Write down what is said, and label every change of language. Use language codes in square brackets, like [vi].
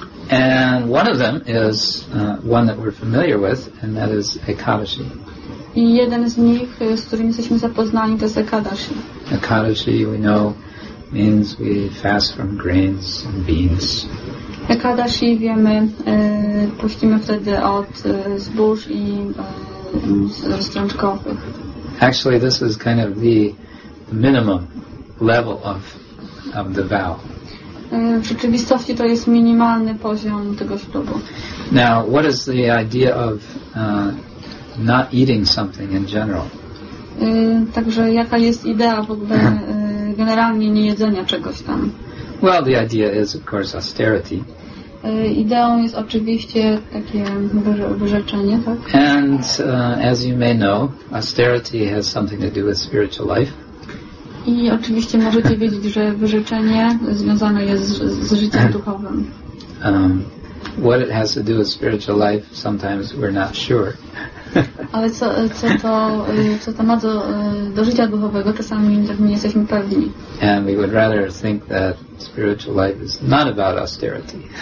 [en] And one of them is one that we're familiar with, and that is Ekadashi. [pl] I jeden z nich, z którym jesteśmy zapoznani, to jest Ekadashi. [en] Ekadashi, we know, means we fast from grains and beans. [pl] Ekadashi, wiemy, pościmy wtedy od zbóż i strączkowych. [en] Actually, this is kind of the minimum level of the vow. [pl] W rzeczywistości to jest minimalny poziom tego ślubu. [en] Now, what is the idea of not eating something in general? [pl] Także jaka jest idea w ogóle generalnie niejedzenia czegoś tam? [en] Well, the idea is, of course, austerity. [pl] Ideą jest oczywiście takie wyrzeczenie, tak? [en] And as you may know, austerity has something to do with spiritual life. [pl] I oczywiście możecie wiedzieć, że wyrzeczenie związane jest z życiem duchowym. [en] What it has to do with spiritual life, sometimes we're not sure. [pl] Ale co to ma do życia duchowego, czasami nie jesteśmy pewni. [en] And we would rather think that spiritual life is not about austerity.